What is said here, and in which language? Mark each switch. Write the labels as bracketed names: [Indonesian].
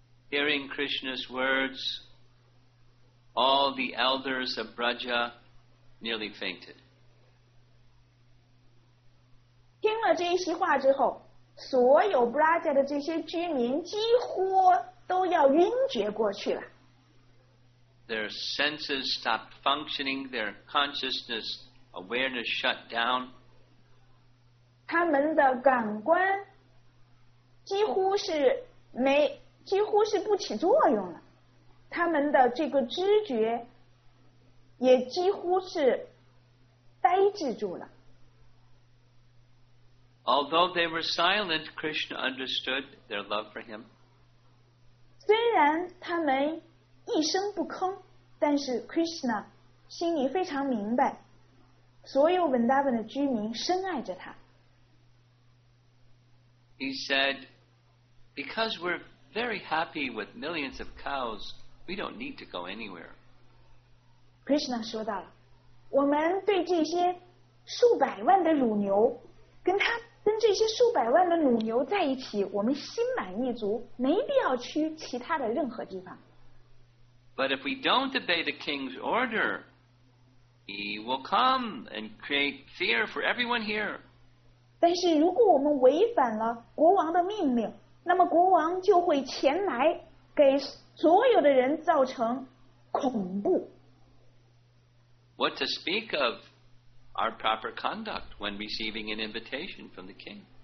[English] Hearing Krishna's words, all the elders of Braja nearly fainted. [Chinese] 听了这些话之后，所有 Braja 的这些居民几乎都要晕厥过去了。 [English] Their senses stopped functioning, their consciousness awareness shut down. [Chinese] 他们的感官几乎是不起作用了，他们的这个知觉也几乎是呆滞住了。 [English] Although they were silent, Krishna understood their love for him. [Chinese] 虽然他们一声不吭，但是 Krishna 心里非常明白，所有 Vrindavan 的居民深爱着他。 [English] He said, because we're very happy with millions of cows, we don't need to go anywhere. [Chinese] Krishna 说道了，我们对这些数百万的乳牛，跟这些数百万的乳牛在一起，我们心满意足，没必要去其他的任何地方。 [English] But if we don't obey the king's order, he will come and create fear for everyone here. [Chinese] 但是如果我们违反了国王的命令，那么国王就会前来给所有的人造成恐怖。 [English] What to speak of our proper conduct when receiving an invitation from the king?